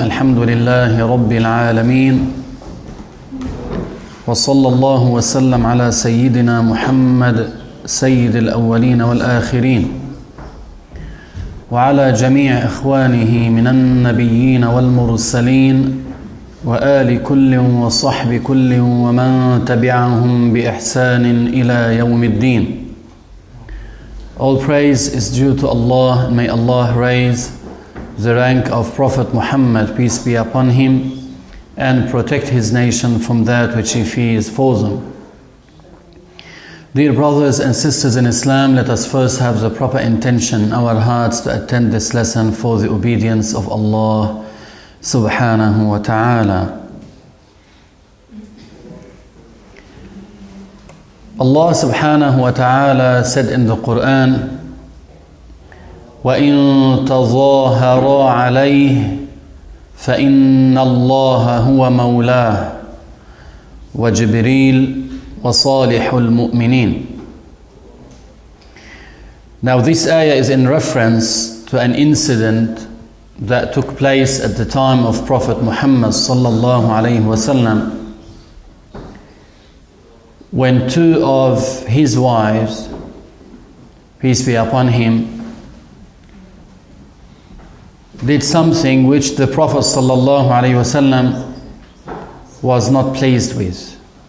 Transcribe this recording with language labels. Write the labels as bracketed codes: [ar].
[ar] الحمد لله رب العالمين، وصلى الله وسلم على سيدنا محمد سيد الأولين والآخرين، وعلى جميع إخوانه من النبيين والمرسلين، وآل كل وصحب كل ومن تبعهم بإحسان إلى يوم الدين. [en] All praise is due to Allah. May Allah raise the rank of Prophet Muhammad, peace be upon him, and protect his nation from that which he fears for them. Dear brothers and sisters in Islam, let us first have the proper intention in our hearts to attend this lesson for the obedience of Allah subhanahu wa ta'ala. Allah subhanahu wa ta'ala said in the Quran, [ar] وَإِن تَظَاهَرَا عَلَيْهِ فَإِنَّ اللَّهَ هُوَ مَوْلَاهُ وَجِبْرِيلُ وَصَالِحُ الْمُؤْمِنِينَ. [en] Now this ayah is in reference to an incident that took place at the time of Prophet Muhammad sallallahu alayhi wasallam, when two of his wives, peace be upon him, did something which the Prophet sallallahu alaihi wasallam was not pleased with.